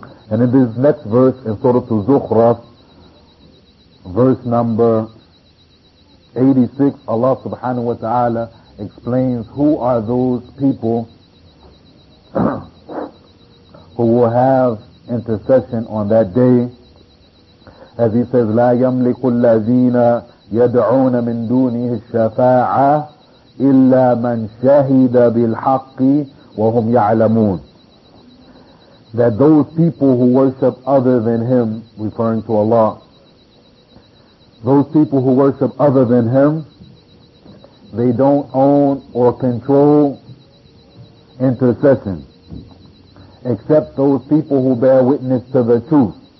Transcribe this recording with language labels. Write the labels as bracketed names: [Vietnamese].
[English] And in this next verse in Surah Az-Zukhruf, verse number 86, Allah subhanahu wa ta'ala explains who are those people who will have intercession on that day. As he says, [Arabic] لَا يَمْلِكُ الَّذِينَ يَدْعُونَ مِن دُونِهِ الشَّفَاعَةَ إِلَّا مَنْ شَهِدَ بِالْحَقِّ وَهُمْ يَعْلَمُونَ. [English] That those people who worship other than him, referring to Allah, those people who worship other than him, they don't own or control intercession, except those people who bear witness to the truth.